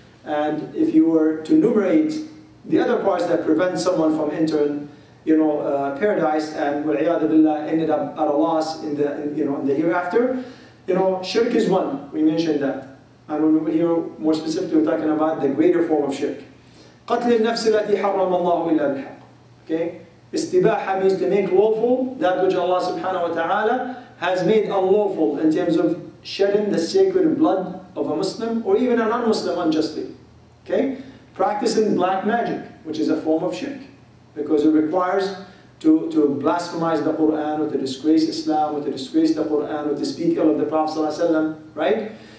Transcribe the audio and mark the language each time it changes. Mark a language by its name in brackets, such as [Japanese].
[English] And if you were to enumerate the other parts that prevent someone from entering, you know, paradise and wal'iyadu billah ended up at a loss in the hereafter. You know, shirk is one, we mentioned that. And here, more specifically, we're talking about the greater form of shirk. [Arabic] قتل النفس التي حرم الله إلا بالحق. [English] Okay? Istibaha means to make lawful that which Allah subhanahu wa ta'ala has made unlawful in terms of shedding the sacred blood of a Muslim or even a non-Muslim unjustly. Okay? Practicing black magic, which is a form of shirk, because it requires to blasphemize the Quran or to disgrace Islam or to disgrace the Quran or to speak ill of the Prophet sallallahu alaihi wasallam, right?